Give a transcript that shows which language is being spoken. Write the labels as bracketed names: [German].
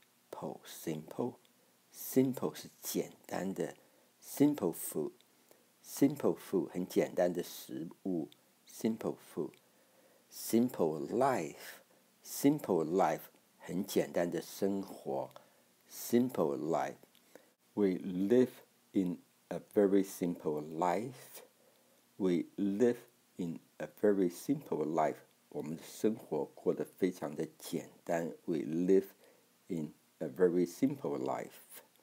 [English] Po, Simple, Simple 是简单的 Simple food, Simple food, [Chinese] 很简单的食物 [English] Simple food, Simple life, Simple life, [Chinese] 很简单的生活 [English] Simple life, We live inA very simple life. We live in a very simple life. [Chinese] 我们的生活过得非常的简单。 [English] We live in a very simple life.